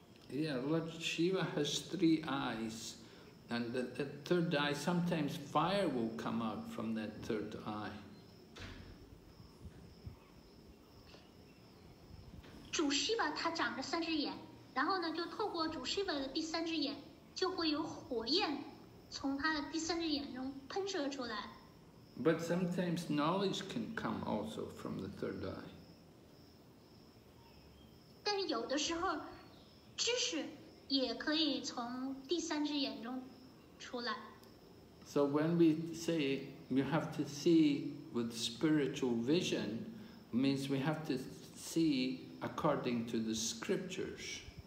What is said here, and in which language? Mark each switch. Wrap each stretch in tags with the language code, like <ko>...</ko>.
<en>Yeah, Lord Shiva has three eyes, and the third eye, sometimes fire will come out from that third eye.</en> <zh>主希瓦他长着三只眼，然后呢，就透过主希瓦的第三只眼。</zh> <en>But sometimes knowledge can come also from the third eye.</en> <zh>但是有的时候，知识也可以从第三只眼中出来。</zh> <en>So when we say you have to see with spiritual vision, means we have to see according to the scriptures.</en>